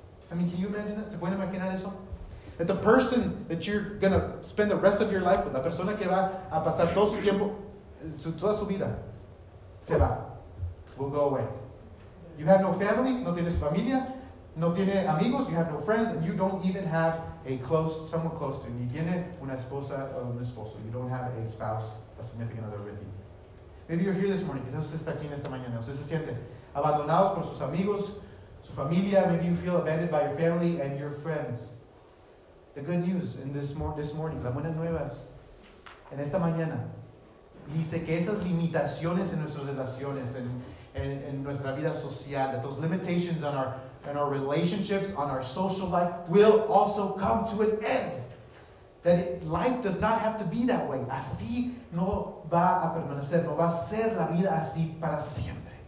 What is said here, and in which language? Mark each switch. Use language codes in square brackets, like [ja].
[en] I mean, can you imagine that? [es] ¿Se puede imaginar eso? [en] That the person that you're going to spend the rest of your life with, [es] la persona que va a pasar todo su tiempo, su, toda su vida, se va. [en] Will go away. You have no family, [es] no tienes familia, no tiene amigos, [en] you have no friends, and you don't even have a close, someone close to you. [es] Ni tiene una esposa o un esposo. [en] You don't have a spouse, a significant other with you. Maybe you're here this morning. [es] Quizás usted está aquí en esta mañana. Usted se siente abandonados por sus amigos, su familia. [en] Maybe you feel abandoned by your family and your friends. The good news in this morning, [es] las buenas nuevas, en esta mañana, dice que esas limitaciones en nuestras relaciones, en nuestra vida social, [en] that those limitations on our relationships, on our social life, will also come to an end. That life does not have to be that way. [es] Así no va a permanecer, no va a ser la vida así para siempre.